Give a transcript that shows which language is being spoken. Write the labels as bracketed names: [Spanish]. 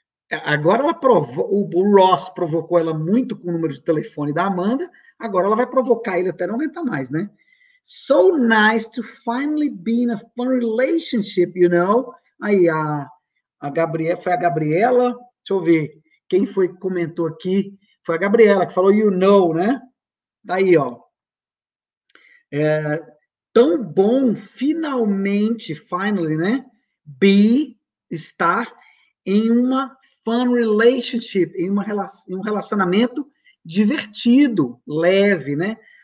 [Portuguese] Agora ela provou, o Ross provocou ela muito com o número de telefone da Amanda. Agora ela vai provocar ele até não aguentar mais, né? [English] So nice to finally be in a fun relationship, you know? [Portuguese] Aí a Gabriela, foi a Gabriela, deixa eu ver quem foi que comentou aqui. Foi a Gabriela que falou, you know, né? Daí, ó. É, tão bom, finalmente, finally, né? Be, estar em uma fun relationship, em uma, em um relacionamento divertido, leve, né?